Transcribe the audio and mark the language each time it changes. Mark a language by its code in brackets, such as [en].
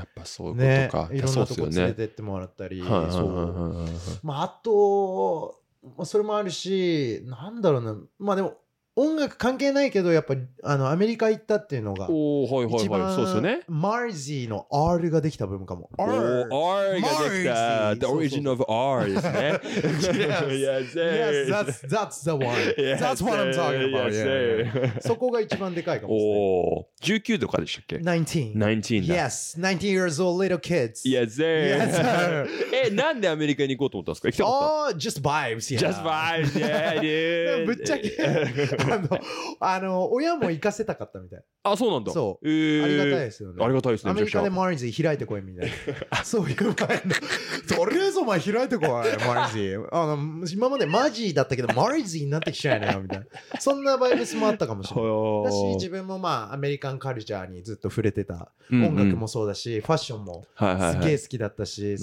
[ja] うん、やっぱそういうことか、ね、いろんなとこ連れてってもらったり、まああとそれもあるし、なんだろうな、まあでも音楽関係ないけどやっぱりあのアメリカ行ったっていうのが一番、はいはいはい、そうですよね、マーゼィの R ができた部分かも、 R ができた、 [en] The origin of R [ja] ですね、 [en] Yes, yes, that's the one, that's what I'm talking about, yeah, yeah. [ja] そこが一番でかいかもしれない。19とかでしたっけ、19 [en] Yes, 19 years old little kids, yes, yes, [ja] なんでアメリカに行こうと思ったんですか、行きたかった、 [en] just vibes, yeah, just vibes, yeah, dude. [ja] ぶっちゃけあの親も行かせたかったみたいあ、そうなんだ、そう、ありがたいですよね、ありがたいですね、アメリカでマーゼィ開いてこいみたいなそういう感じとりあえずお前開いてこいマーゼィ、あの今までマジだったけどマーゼィになってきちゃうよみたいな、そんなバイブスもあったかもしれない。だし自分もまあアメリカンカルチャーにずっと触れてた、音楽もそうだし、うんうん、ファッションもすげえ好きだったし、